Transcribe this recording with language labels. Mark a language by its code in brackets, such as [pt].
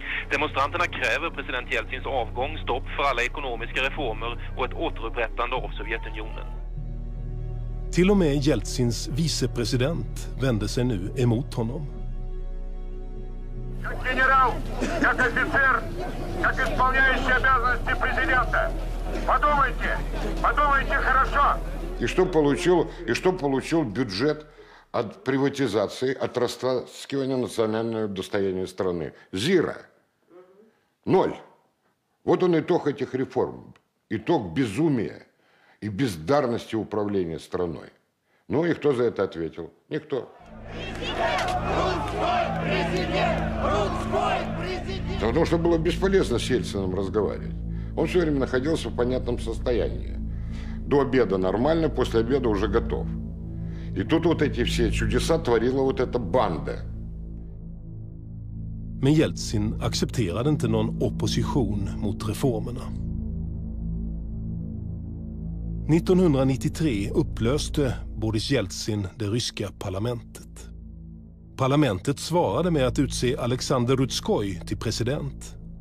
[sv] Demonstranterna kräver president Jeltsins avgång, stopp för alla ekonomiska reformer och ett återupprättande av Sovjetunionen. Till och med Jeltsins vicepresident vände sig nu emot honom. [ru] Как генерал, как офицер, как исполняющий обязанности президента. Подумайте, подумайте хорошо. И что получил бюджет от приватизации, от растаскивания национального достояния страны? Зира. Ноль. Вот он итог этих реформ. Итог безумия и бездарности управления страной. Ну и кто за это ответил? Никто. Потому что было бесполезно с Ельциным разговаривать. Он все время находился в понятном состоянии. До обеда нормально, после обеда уже готов. И тут вот эти все чудеса творила вот эта банда. [sv] Men Jeltsin accepterade inte någon opposition mot reformerna. 1993 upplöste Boris Jeltsin det ryska parlamentet. Parlamentet svarade med att utse Alexander Rutskoj till president.